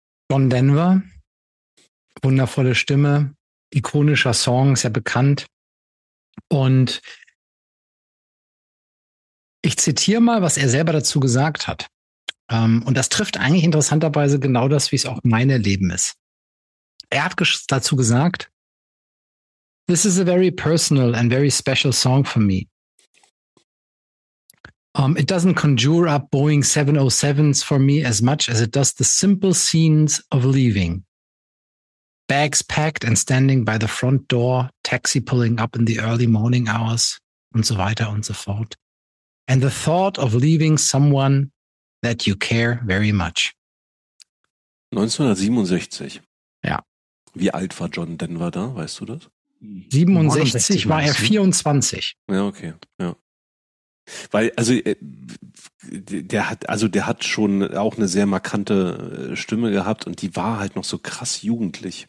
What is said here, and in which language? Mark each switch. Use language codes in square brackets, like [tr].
[de] John Denver, wundervolle Stimme, ikonischer Song, sehr bekannt. Und ich zitiere mal, was er selber dazu gesagt hat. Und das trifft eigentlich interessanterweise genau das, wie es auch mein Erleben ist. Er hat dazu gesagt, [en] "This is a very personal and very special song for me. It doesn't conjure up Boeing 707s for me as much as it does the simple scenes of leaving. Bags packed and standing by the front door, taxi pulling up in the early morning hours," [de] und so weiter und so fort. [en] "And the thought of leaving someone that you care very much." [de] 1967. Ja. Wie alt war John Denver da, weißt du das? 67 war er 24. Ja, okay, ja. Weil, also, der hat schon auch eine sehr markante Stimme gehabt und die war halt noch so krass jugendlich.